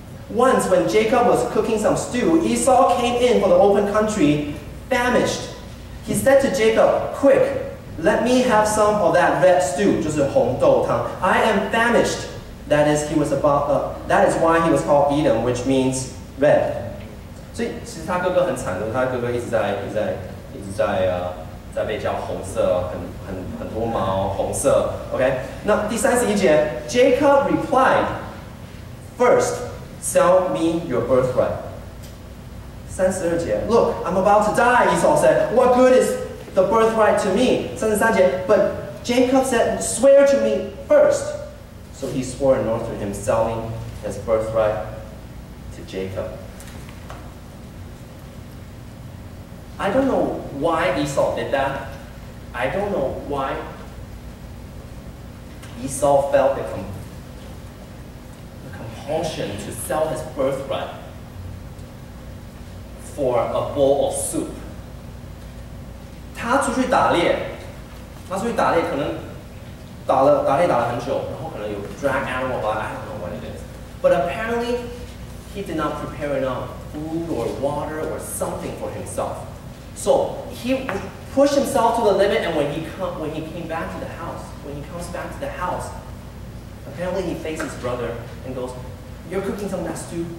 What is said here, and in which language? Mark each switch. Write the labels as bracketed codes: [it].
[en] Once when Jacob was cooking some stew, Esau came in from the open country, famished. He said to Jacob, Quick, Let me have some of that red stew, [zh] 就是红豆汤。 [en] I am famished. That is, he was about, that is why he was called Edom, which means red. [zh] 所以其实他哥哥很惨的，他哥哥一直在被叫红色，很多毛，红色。 [en] OK， [zh] 那第三十一节 [en] ，Jacob replied, first, sell me your birthright. [zh] 三十二节 [en] ，Look, I'm about to die. Esau said, what good is the birthright to me? [zh] 三十三节 [en] ，But Jacob said, swear to me first. So he swore an oath to him, selling his birthright to Jacob. I don't know why Esau did that. I don't know why Esau felt the compulsion to sell his birthright for a bowl of soup. [zh] 他出去打猎，可能打猎打了很久，然后可能有 [en] drag animal, but I don't know what it is. But apparently, he did not prepare enough food or water or something for himself. So he pushed himself to the limit, and when he comes back to the house, apparently he faces his brother and goes, "You're cooking some of that stew.